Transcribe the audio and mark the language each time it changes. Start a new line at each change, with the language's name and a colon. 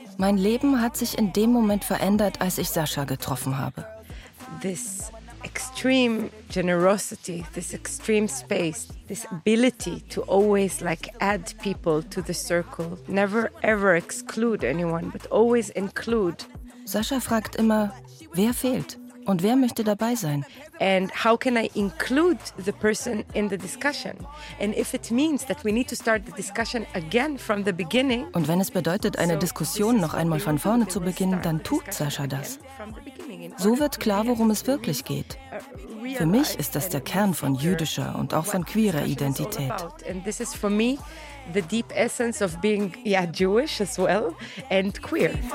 German: Mein Leben hat sich in dem Moment verändert, als ich Sasha getroffen habe.
English: This extreme generosity, this extreme space, this ability to always like add people to the circle, never ever exclude anyone, but always include.
German: Sasha fragt immer, wer fehlt und wer möchte dabei sein?
English: And how can I include the person in the discussion? And if it means that we need to start the discussion again from the beginning.
German: Und wenn es bedeutet, eine Diskussion noch einmal von vorne zu beginnen, dann tut Sasha das. So wird klar, worum es wirklich geht. Für mich ist das der Kern von jüdischer und auch von queerer Identität.
English: And this is for me the deep essence of being, yeah, Jewish as well and queer.